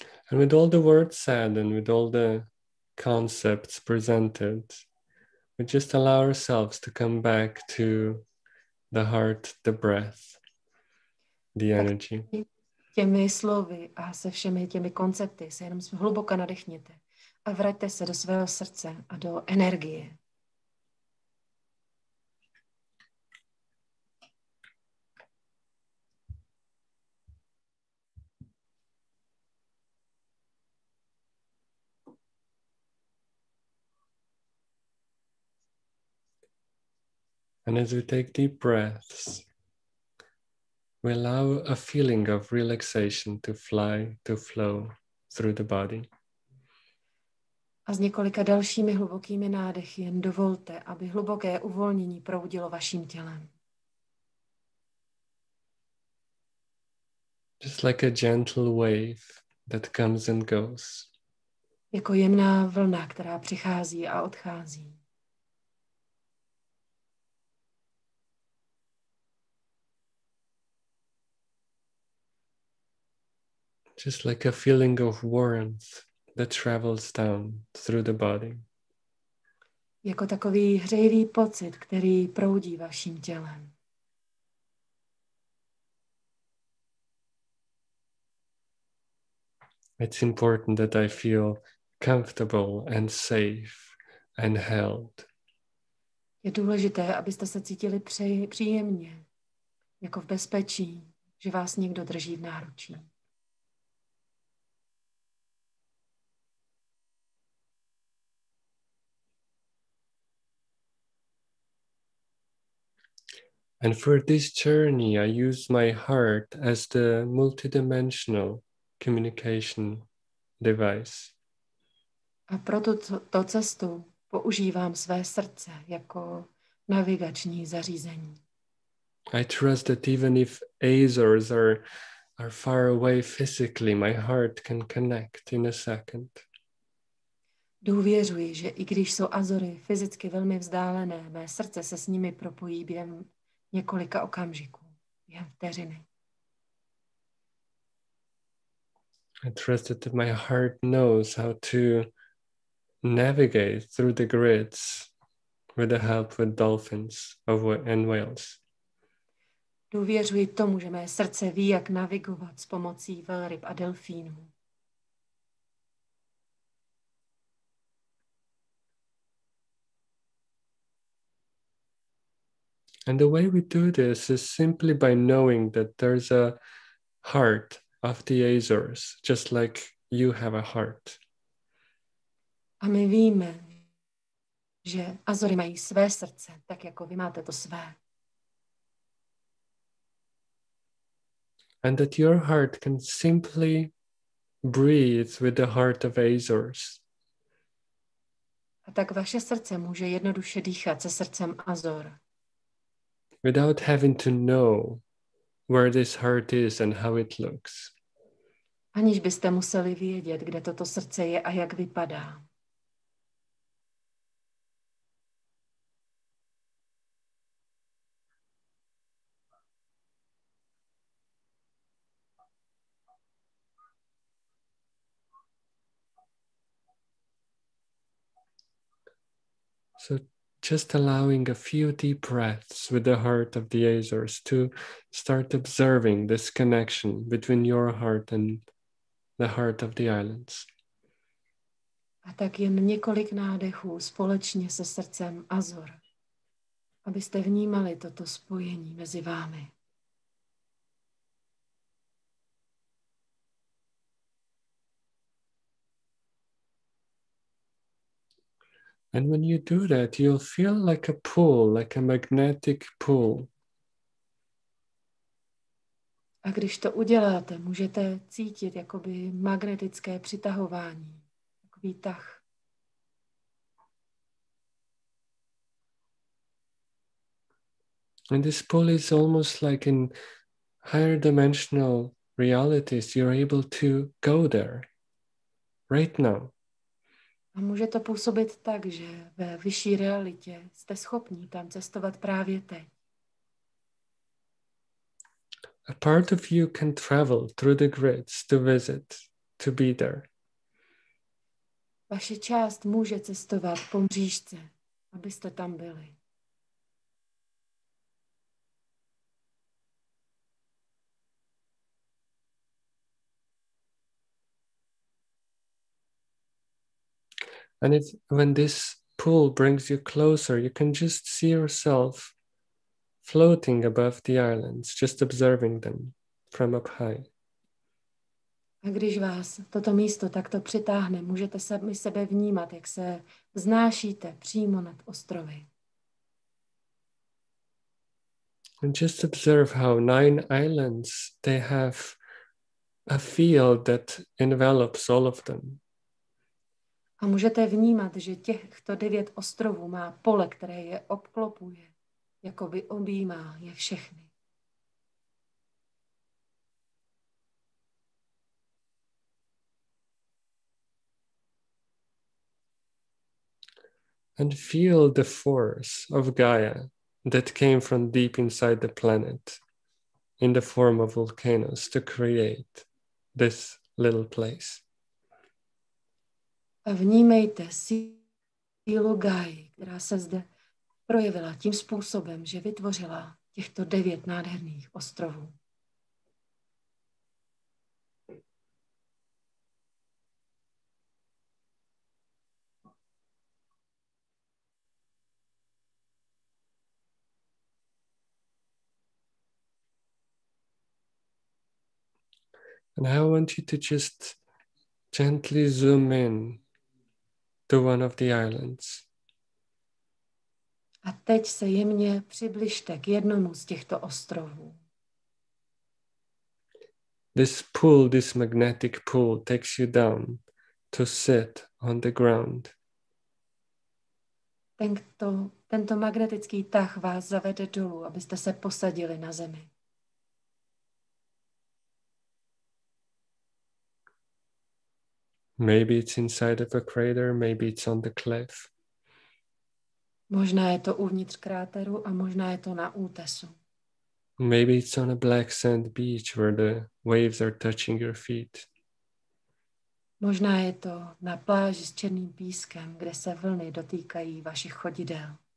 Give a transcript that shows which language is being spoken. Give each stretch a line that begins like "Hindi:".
English: And with all the words said and with all the concepts presented, we just allow ourselves to come back to the heart, the breath, the energy.
Czech: Těmi slovy a se všemi těmi koncepty se jenom hluboko nadechněte a vraťte se do svého srdce a do energie.
English: And as we take deep breaths, we allow a feeling of relaxation to fly, to flow through the body.
Czech: A s několika dalšími hlubokými nádechy jen dovolte, aby hluboké uvolnění proudilo vaším tělem.
English: Just like a gentle wave that comes and goes.
Czech: Jako jemná vlna, která přichází a odchází.
English: Just like a feeling of warmth that travels down through the body.
Czech: Jako takový hřejivý pocit, který proudí vaším tělem.
English: It's important that I feel comfortable and safe and held.
Czech: Je důležité, abyste se cítili příjemně, jako v bezpečí, že vás někdo drží v náručí.
English: And for this journey, I use my heart as the multidimensional communication device.
Czech: A pro tuto cestu používám své srdce jako navigační zařízení.
English: I trust that even if Azores are far away physically, my heart can connect in a second.
Czech: Důvěřuji, že i když jsou Azory fyzicky velmi vzdálené, mé srdce se s nimi propojí během několika okamžiků, během vteřiny.
English: I trust that my heart knows how to navigate through the grids with the help of dolphins and whales.
Czech: Důvěřuji tomu, že mé srdce ví, jak navigovat s pomocí velryb a delfínů.
English: And the way we do this is simply by knowing that there's a heart of the Azores, just like you have a heart.
Czech: A my víme, že Azory mají své srdce, tak jako vy máte to své.
English: And that your heart can simply breathe with the heart of Azores.
Czech: A tak vaše srdce může jednoduše dýchat se srdcem Azor.
English: Without having to know where this heart is and how it looks.
Czech: Aniž byste museli vědět, kde toto srdce je a jak vypadá.
English: So just allowing a few deep breaths with the heart of the Azores to start observing this connection between your heart and the heart of the islands.
Czech: A tak jen několik nádechů společně se srdcem Azor, abyste vnímali toto spojení mezi vámi.
English: And when you do that, you'll feel like a pull, like a magnetic pull.
Czech: A když to uděláte, můžete cítit jakoby magnetické přitahování, takový tah.
English: And this pull is almost like in higher dimensional realities, you're able to go there right now.
Czech: A může to působit tak, že ve vyšší realitě jste schopní tam cestovat právě teď.
English: A part of you can travel through the grids to visit, to be there.
Czech: Vaše část může cestovat po mřížce, abyste tam byli.
English: And it's when this pool brings you closer, you can just see yourself floating above the islands, just observing them from up high.
Czech: A když vás toto místo takto přitáhne, můžete sami sebe vnímat, jak se vznášíte přímo nad ostrovy.
English: And just observe how nine islands, they have a field that envelops all of them.
Czech: A můžete vnímat, že těchto devět ostrovů má pole, které je obklopuje, jako by objímá je všechny.
English: And feel the force of Gaia that came from deep inside the planet in the form of volcanoes to create this little place.
Czech: A vnímejte sílu Gaji, která se zde projevila tím způsobem, že vytvořila těchto devět nádherných ostrovů.
English: And I want you to just gently zoom in to one of the islands.
Czech: A teď se jemně přibližte k jednomu z těchto ostrovů.
English: This pull, this magnetic pull takes you down to sit on the ground.
Czech: Tento magnetický tah vás zavede dolů, abyste se posadili na zemi.
English: Maybe it's inside of a crater, maybe it's on the cliff.
Czech: Možná je to uvnitř kráteru a možná je to na útesu.
English: Maybe it's on a black sand beach where the waves are touching your feet.
Czech: Možná je to na pláži s černým pískem, kde se vlny dotýkají vašich chodidel.